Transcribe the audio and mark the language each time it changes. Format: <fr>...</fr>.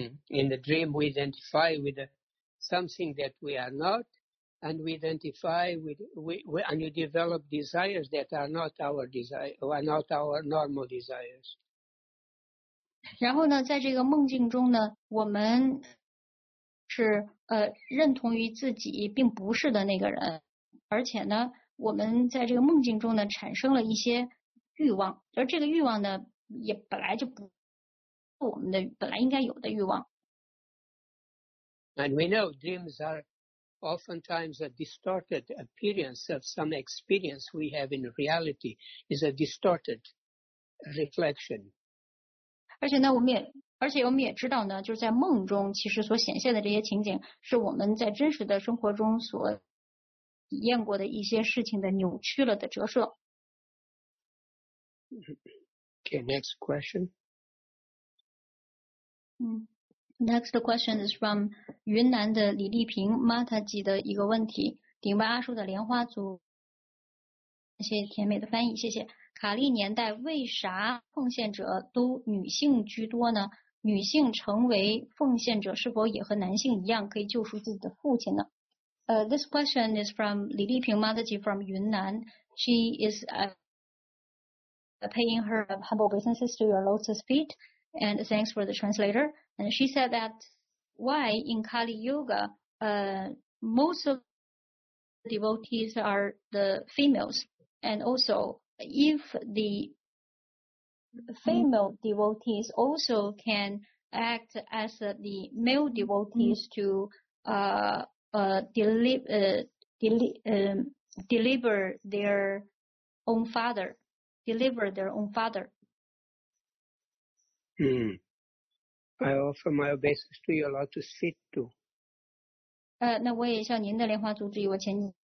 <en>In the dream, we identify with something that we are not, and we identify with and you develop desires that are not our desire, are not our normal desires.</en> <zh>然后呢，在这个梦境中呢，我们是认同于自己并不是的那个人，而且呢，我们在这个梦境中呢，产生了一些欲望，而这个欲望呢，也本来就不是我们的本来应该有的欲望。</zh> <en>And we know dreams are oftentimes a distorted appearance of some experience we have in reality is a distorted reflection.</en> <zh>而且呢，我们也知道呢，就是在梦中其实所显现的这些情景，是我们在真实的生活中所体验过的一些事情的扭曲了的折射。</zh> <en>Okay, next question. Next question is from</en> <zh>云南的李丽萍 Mataji 的一个问题，顶拜阿叔的莲花组，谢谢甜美的翻译，谢谢。卡利年代为啥奉献者都女性居多呢？女性成为奉献者是否也和男性一样可以救赎自己的父亲呢？</zh> <en>This question is from 李丽萍 Mataji from 云南。 She is paying her humble obeisances to your lotus feet and thanks for the translator. And she said that why in Kali Yuga, most of the devotees are the females and also. If the female devotees also can act as the male devotees to deliver their own father, deliver their own father. I offer my obeisance to your Lord to sit to.</en> <zh>那我也向您的莲花祖致以我前进。</zh>